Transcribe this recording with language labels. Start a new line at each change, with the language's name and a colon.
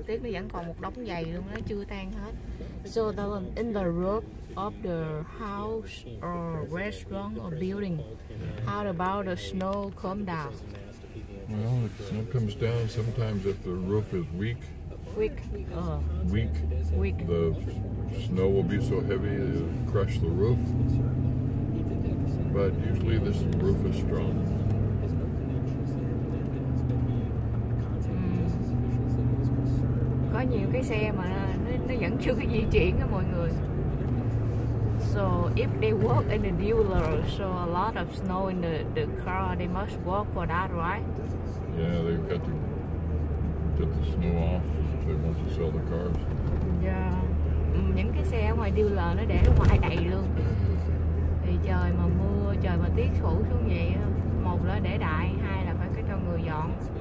Vietnamese: Tuyết nó vẫn còn một đống dày luôn, nó chưa tan hết.
English: So that in the roof of the house or restaurant or building, how about the snow come down? Well, the snow comes down sometimes if the roof is weak. Weak. The snow will be so heavy it will crush the roof. But usually this roof is strong.
Vietnamese: Có nhiều cái xe mà nó vẫn chưa có di chuyển á mọi người.
English: So if they work in the dealer, so a lot of snow in the car, they must work for that, right? Yeah, they've got to get the snow off if they want to sell the cars. Yeah.
Vietnamese: Những cái xe ở ngoài dealer nó để ngoài đầy luôn. Thì trời mà mưa, trời mà tuyết phủ xuống vậy, một là để đại, hai là phải cho người dọn.